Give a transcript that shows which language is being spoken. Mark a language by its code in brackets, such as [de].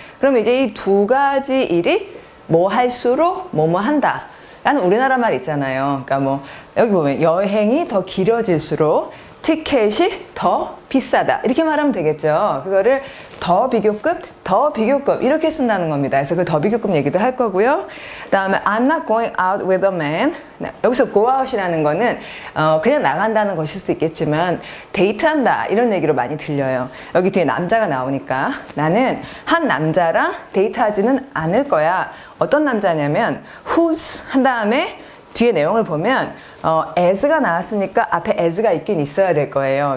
[ko] 그럼 이제 이 두 가지 일이 뭐 할수록 뭐뭐 한다 라는 우리나라 말 있잖아요. 그러니까 뭐 여기 보면 여행이 더 길어질수록 티켓이 더 비싸다 이렇게 말하면 되겠죠. 그거를 더 비교급, 더 비교급 이렇게 쓴다는 겁니다. 그래서 그 더 비교급 얘기도 할 거고요. [en] 다음에 I'm not going out with a man. [ko] 여기서 go out이라는 거는 그냥 나간다는 것일 수 있겠지만 데이트한다 이런 얘기로 많이 들려요. 여기 뒤에 남자가 나오니까 나는 한 남자랑 데이트하지는 않을 거야. 어떤 남자냐면 whose 한 다음에 뒤에 내용을 보면 as가 나왔으니까 앞에 as가 있긴 있어야 될 거예요.